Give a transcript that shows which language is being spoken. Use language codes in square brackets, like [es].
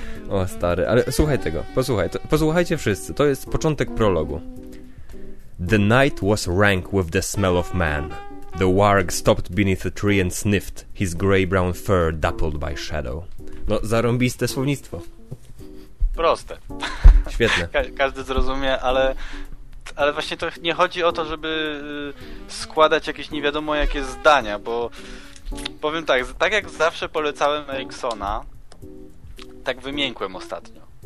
[pl] O stary, ale słuchaj tego, posłuchajcie wszyscy, to jest początek prologu. [en] The night was rank with the smell of man. The warg stopped beneath a tree and sniffed, his grey-brown fur dappled by shadow. [pl] No, zarąbiste słownictwo. Proste. Świetne. Każdy zrozumie, ale właśnie to nie chodzi o to, żeby składać jakieś nie wiadomo jakie zdania, bo powiem tak, tak jak zawsze polecałem Eriksona, tak wymiękłem ostatnio.